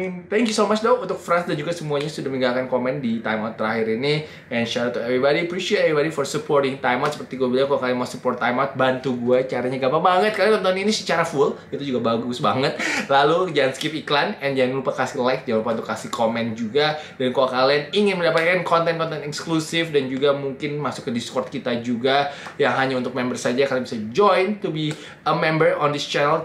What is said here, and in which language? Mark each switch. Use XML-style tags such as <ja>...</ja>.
<en>Thank you so much though</en> <id>untuk Franz dan juga semuanya sudah meninggalkan komen di timeout terakhir ini.</id> <en>And shout out to everybody, appreciate everybody for supporting timeout.</en> <id>Seperti gue bilang, kalau kalian mau support timeout, bantu gue, caranya gampang banget. Kalian nonton ini secara full, itu juga bagus banget. Lalu jangan skip iklan, and jangan lupa kasih like, jangan lupa untuk kasih komen juga. Dan kalau kalian ingin mendapatkan konten-konten eksklusif dan juga mungkin masuk ke Discord kita juga yang hanya untuk member saja, kalian bisa</id> <en>join to be a member on this channel.</en>